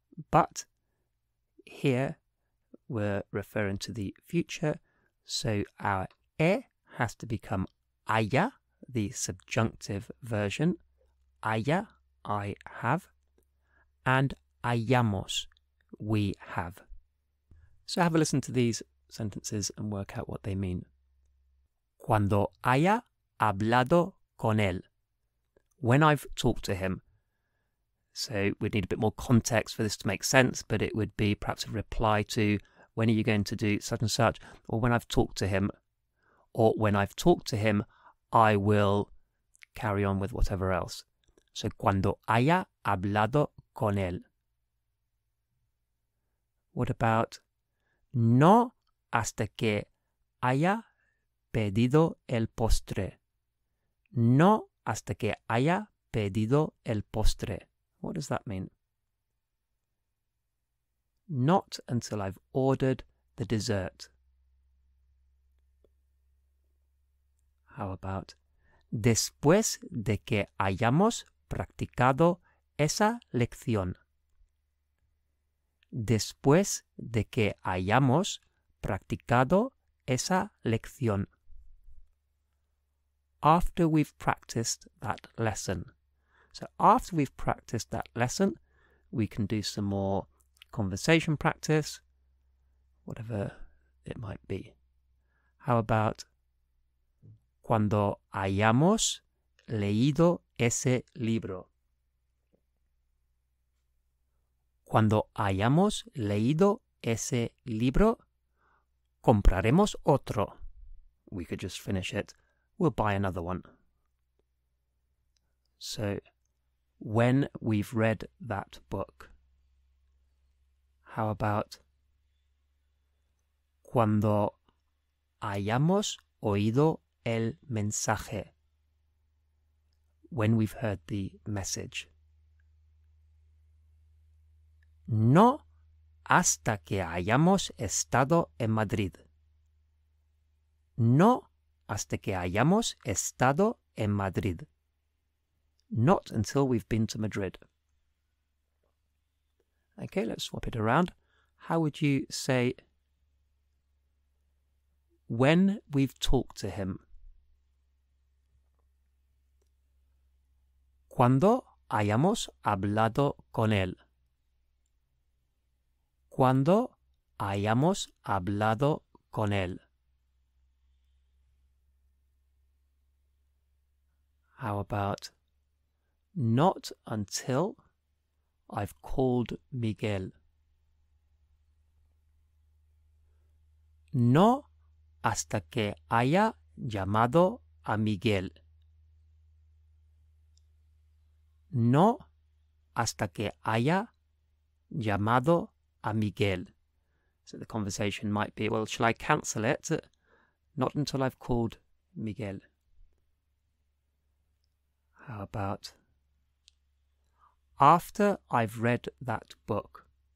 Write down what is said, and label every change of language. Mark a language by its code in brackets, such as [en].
[en] But here we're referring to the future, so our e has to become haya, the subjunctive version, haya, I have, and hayamos, we have. So have a listen to these sentences and work out what they mean. [es] Cuando haya hablado con él. [en] When I've talked to him. So we'd need a bit more context for this to make sense, but it would be perhaps a reply to when are you going to do such and such, or when I've talked to him, or when I've talked to him, I will carry on with whatever else. [es] So cuando haya hablado con él. [en] What about [es] no hasta que haya pedido el postre? No hasta que haya pedido el postre. [en] What does that mean? Not until I've ordered the dessert. How about [es] después de que hayamos practicado esa lección? Después de que hayamos practicado esa lección. [en] After we've practiced that lesson. So after we've practiced that lesson, we can do some more conversation practice, whatever it might be. How about [es] cuando hayamos leído ese libro? Cuando hayamos leído ese libro, compraremos otro. [en] We could just finish it. We'll buy another one. So, when we've read that book, how about [es] cuando hayamos oído el mensaje? [en] When we've heard the message. [es] No hasta que hayamos estado en Madrid. No hasta que hayamos estado en Madrid. [en] Not until we've been to Madrid. Okay, let's swap it around. How would you say when we've talked to him? [es] Cuando hayamos hablado con él. Cuando hayamos hablado con él. [en] How about not until I've called Miguel? [es] No hasta que haya llamado a Miguel. No hasta que haya llamado a Miguel. [en] So the conversation might be, well, shall I cancel it? Not until I've called Miguel. How about after I've read that book?